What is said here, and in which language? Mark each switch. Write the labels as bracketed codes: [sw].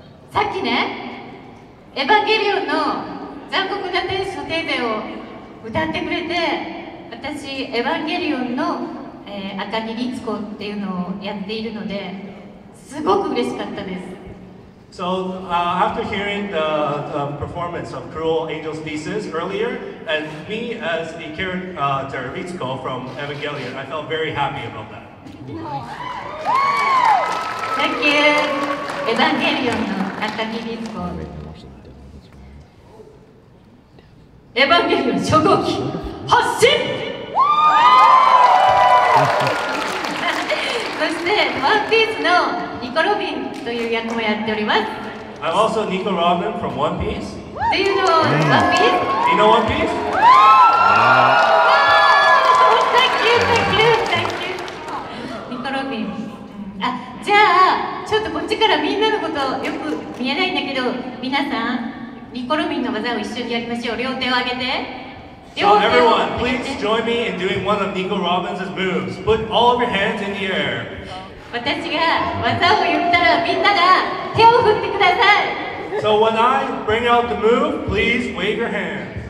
[ja] さっきねエヴァンゲリオンの残酷な天使のテーゼを歌ってくれて、私、エヴァンゲリオンの、赤木律子っていうのをやっているので、すごく嬉しかったです。 [en] So after hearing the performance of Cruel Angel's Thesis earlier, and me as the character Ritsuko from Evangelion, I felt very happy about that. Thank you. Evangelion no Takagi Ritsuko. [ja] Evangelion 初号機 発進! そして One Piece のニコロビンという役もやっております。 [en] I'm also Nico Robin from One Piece. Do you know One Piece? Do you know One Piece? Wow! Thank you, thank you, thank you. Nico Robin. [ja] じゃあ、ちょっとこっちからみんなのことよく見えないんだけど、みなさん、Nico Robin の技を一緒にやりましょう。両手を上げて。 [en] So everyone, please join me in doing one of Nico Robin's moves. Put all of your hands in the air. [ja] 私が技を言ったらみんなが手を振ってください。 [en] So when I bring out the move, please wave your hands.